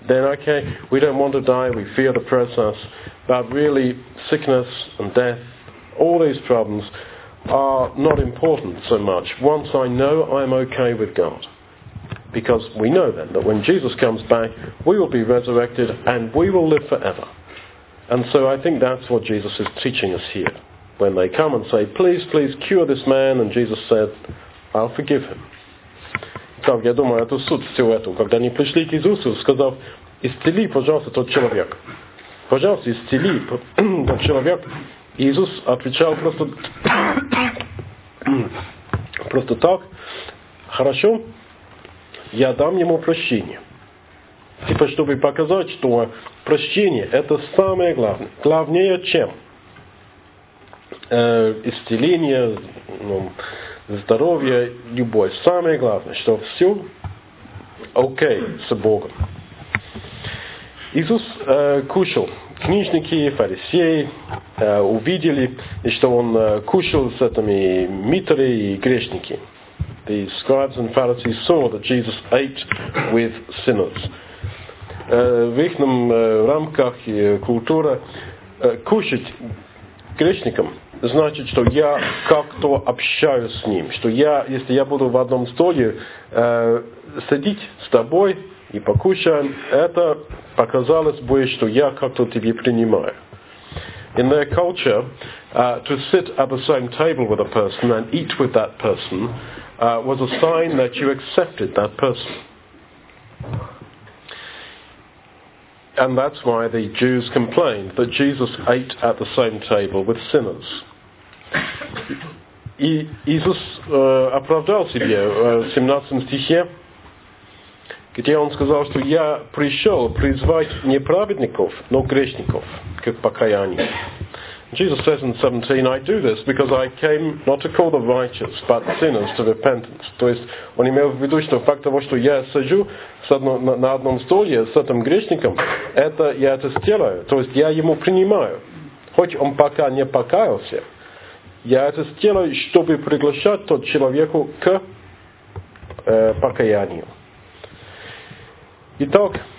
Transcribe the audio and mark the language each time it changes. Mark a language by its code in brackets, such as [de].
[en] Then okay, we don't want to die, we fear the process, but really sickness and death, all these problems are not important so much once I know I'm okay with God. Because we know then that when Jesus comes back, we will be resurrected and we will live forever. And so I think that's what Jesus is teaching us here. When they come and say, please, please, cure this man. And Jesus said, I'll forgive him. [ru] Итак, я думаю, это суть всего этого. Когда они пришли к Иисусу, сказав, исцели, пожалуйста, тот человек. Пожалуйста, исцели тот человек. Иисус отвечал просто так. Хорошо, я дам ему прощение. Типа, чтобы показать, что прощение – это самое главное. Главнее, чем исцеление, ну, здоровье, любовь. Самое главное, что все окей с Богом. Иисус кушал. Книжники, фарисеи увидели, что он кушал с этими митрами и грешниками. [en] The scribes and Pharisees saw that Jesus ate with sinners. [ru] В их рамках культуры кушать грешником значит, что я как-то общаюсь с ним, что я, если я буду в одном столе сидеть с тобой и покушаем, это показалось бы, что я как-то тебя принимаю. [en] In their culture, to sit at the same table with a person and eat with that person was a sign that you accepted that person. And that's why the Jews complained that Jesus ate at the same table with sinners. [ru] Иисус оправдал себя в 17 стихе, где он сказал, что я пришел призвать не праведников, но грешников к покаянию. [en] Jesus says in 17, I do this because I came not to call the righteous, but sinners to repentance. [ru] То есть, он имел в виду, что факт того, что я сижу на одном столе с этим грешником, это я это сделаю. То есть, я ему принимаю. Хоть он пока не покаялся, я это сделаю, чтобы приглашать тот человеку к покаянию. Итак,